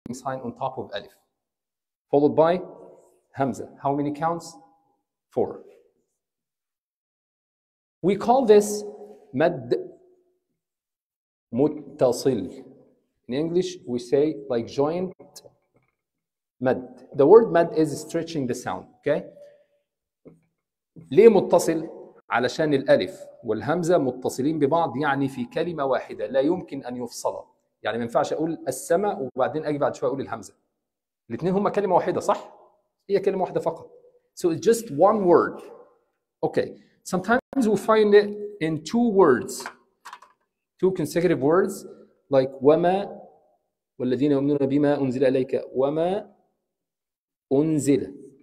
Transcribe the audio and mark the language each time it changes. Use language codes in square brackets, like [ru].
[en] opening sign on top of Alif, followed by Hamza. How many counts? Four. We call this Mad Muttasil. In English, we say like joint Mad. The word Mad is stretching the sound, okay? [ar] ليه متصل؟ علشان الألف والهمزة متصلين ببعض يعني في كلمة واحدة لا يمكن أن يفصلا. يعني ما ينفعش أقول السماء وبعدين أجي بعد شوية أقول الهمزة. الاثنين هما كلمة واحدة صح؟ هي كلمة واحدة فقط. [en] So it's just one word. Okay. Sometimes we find it in two words. Two consecutive words like [ar] وما والذين يؤمنون بما أنزل إليك وما أنزل.